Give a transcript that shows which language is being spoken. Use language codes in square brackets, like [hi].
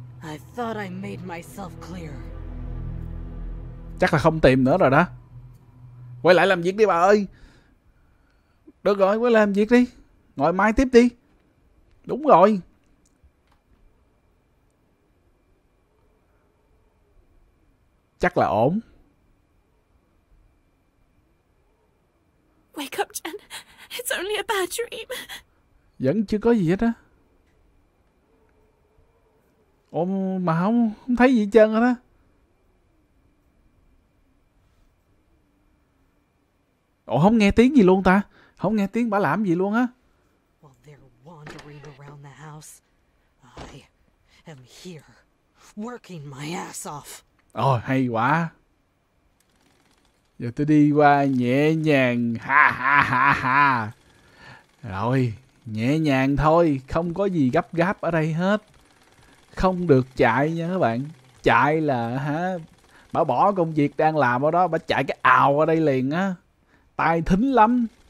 [en] I thought I made myself clear. [vi] Chắc là không tìm nữa rồi đó. Quay lại làm việc đi bà ơi. Được rồi, quay lại làm việc đi. Ngồi mai tiếp đi. Đúng rồi. Chắc là ổn. [en] Wake up, Jen. It's only a bad dream. [vi] Vẫn chưa có gì hết á. Ôm mà không, không thấy gì hết trơn hết á. Ồ, không nghe tiếng gì luôn ta. Không nghe tiếng bả làm gì luôn á. [en] While they're wandering around the house, I am here working my ass off. [vi] Ồ, hay quá. Giờ tôi đi qua nhẹ nhàng, ha ha ha ha. Rồi, nhẹ nhàng thôi, không có gì gấp gáp ở đây hết. Không được chạy nha các bạn. Chạy là hả, bà bỏ công việc đang làm ở đó, bà chạy cái ào ở đây liền á. Tai thính lắm.